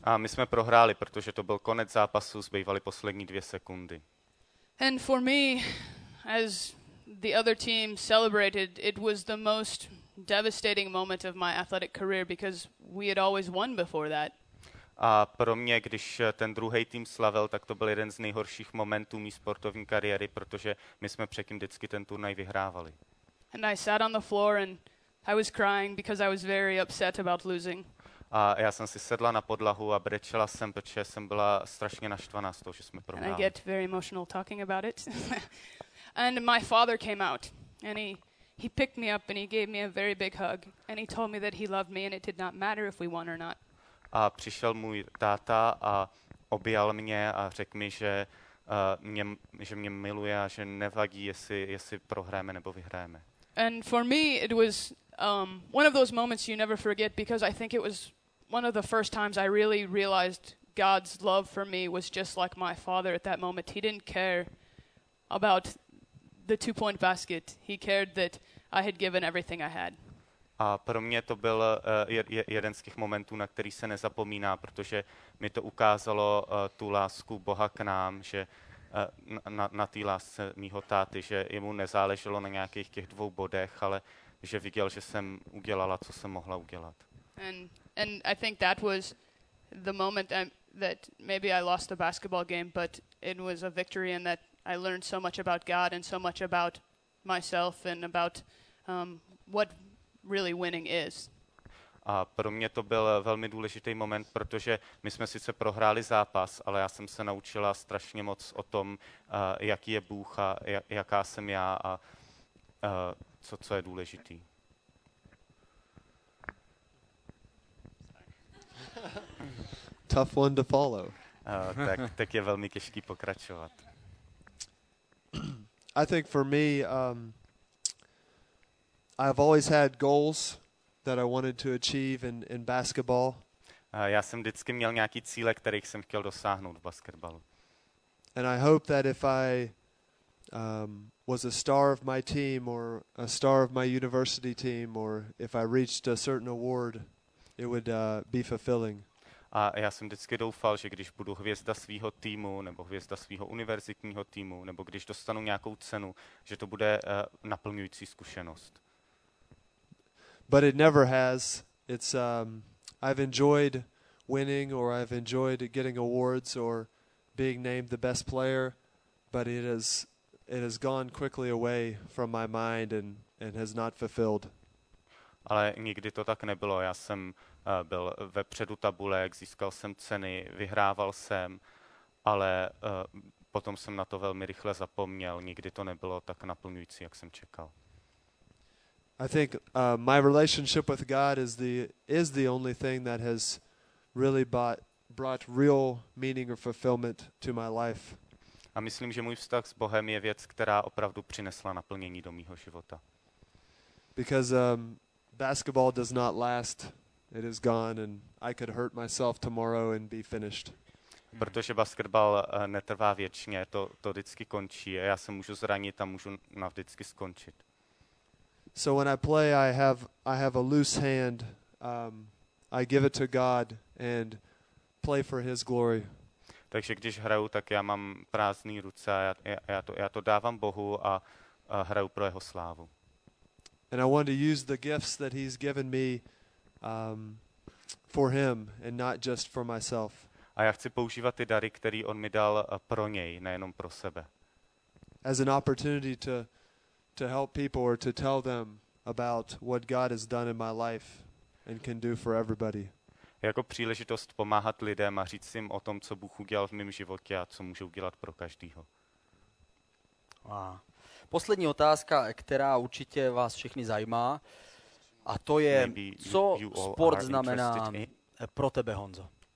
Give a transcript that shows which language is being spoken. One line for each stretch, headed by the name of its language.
Czech: A my jsme prohráli, protože to byl konec zápasu, zbývaly poslední 2 sekundy.
English: And for me, as the other team celebrated, it was the most devastating moment of my athletic career because we had always won before that.
Czech: A pro mě, když ten druhý tým slavil, tak to byl jeden z nejhorších momentů mé sportovní kariéry, protože my jsme předtím vždycky ten turnaj vyhrávali.
English: And I sat on the floor and I was crying because I was very upset about losing.
Czech: A já jsem si sedla na podlahu a brečela jsem, protože jsem byla strašně naštvaná z toho, že jsme prohráli.
English: And I get very emotional talking about it. And my father came out and he picked me up and he gave me a very big hug and he told me that he loved me and it did not matter if we won or not.
Czech: A přišel můj táta a objal mě a řekl mi, že mě miluje a že nevadí, jestli prohráme nebo vyhráme.
English: And for me it was one of those moments you never forget because I think it was one of the first times I really realized God's love for me was just like my father at that moment. He didn't care about the 2-point basket. He cared that I had given everything I had.
Czech: A pro mě to byl jeden z těch momentů, na který se nezapomíná, protože mi to ukázalo tu lásku Boha k nám, že na té lásce mýho táty, že jemu nezáleželo na nějakých těch 2 bodech, ale že viděl, že jsem udělala, co jsem mohla udělat.
English: And I think that was the moment that maybe I lost the basketball game, but it was a victory and that I learned so much about God and so much about myself and about what really winning is.
Czech: A pro mě to byl velmi důležitý moment, protože my jsme sice prohráli zápas, ale já jsem se naučila strašně moc o tom, jaký je Bůh a jaká jsem já a co je důležitý.
English: Tough one to follow.
Czech: Tak je velmi těžký pokračovat.
English: I think for me I've always had goals that I wanted to achieve in basketball.
Czech: Já jsem vždycky měl nějaký cíle, kterých jsem chtěl dosáhnout v basketbalu.
English: And I hope that if I was a star of my team or a star of my university team or if I reached a certain award, it would be fulfilling.
Czech: A já jsem vždycky doufal, že když budu hvězda svého týmu nebo hvězda svého univerzitního týmu nebo když dostanu nějakou cenu, že to bude naplňující zkušenost.
English: But it never has. It's I've enjoyed winning or I've enjoyed getting awards or being named the best player, but it has gone quickly away from my mind and has not fulfilled.
Czech: Ale nikdy to tak nebylo. Já jsem byl vepředu tabule, získal jsem ceny, vyhrával jsem, ale potom jsem na to velmi rychle zapomněl. Nikdy to nebylo tak naplňující, jak jsem čekal.
English: I think my relationship with God is the only thing that has really brought real meaning or fulfillment to my life.
Czech: A myslím, že můj vztah s Bohem je věc, která opravdu přinesla naplnění do mýho života.
English: Because basketball does not last. It is gone and I could hurt myself tomorrow and be finished.
Czech: Protože basketbal netrvá věčně, to vždycky končí a já se můžu zranit a můžu navždycky skončit.
English: So when I play I have a loose hand I give it to God and play for his glory.
Czech: Takže když hraju, tak já mám prázdné ruce a já to dávám Bohu a hraju pro jeho slávu.
English: And I want to use the gifts that he's given me for him and not just for myself.
Czech: A já chci používat ty dary, které on mi dal pro něj, nejenom pro sebe.
English: As an opportunity to help people or to tell them about what God has done in my life and can do for everybody.
Czech: Jako příležitost pomáhat lidem a říct jim o tom, co Bůh udělal v mém životě a co může udělat pro každého.
English: Wow.
Czech: Poslední otázka, která určitě vás všechny zajímá, a to je, co sport znamená pro tebe, Honzo?